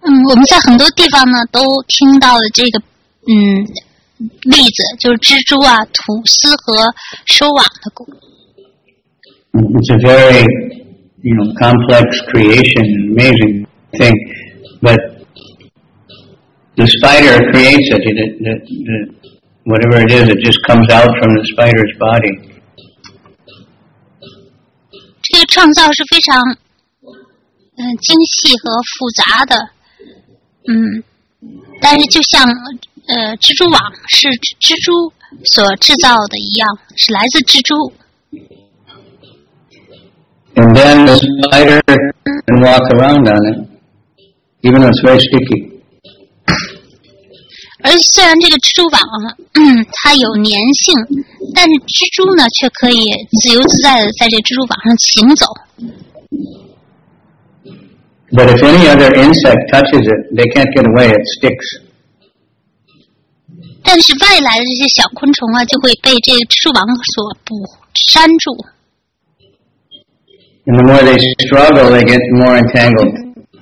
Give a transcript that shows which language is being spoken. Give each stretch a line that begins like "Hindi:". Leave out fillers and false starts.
Chinese: 我们在很多地方呢都听到了这个例子，就是蜘蛛啊、吐丝和收网的工。
English: It's a very, you know, complex creation, amazing thing. But the spider creates it. Whatever it is, it just comes out from the spider's body.
Chinese: 这个创造是非常精细和复杂的，但是就像蜘蛛网是蜘蛛所制造的一样，是来自蜘蛛。
English: And then the spider can walk around on it, even though it's very sticky.
Chinese: 而虽然这个蜘蛛网它有粘性，但是蜘蛛呢却可以自由自在的在这蜘蛛网上行走。
English: But if any other insect touches it, they can't get away, it sticks.
Chinese: 但是外来的这些小昆虫啊，就会被这个蜘蛛网所粘住。
English: And the more they struggle, they get more entangled.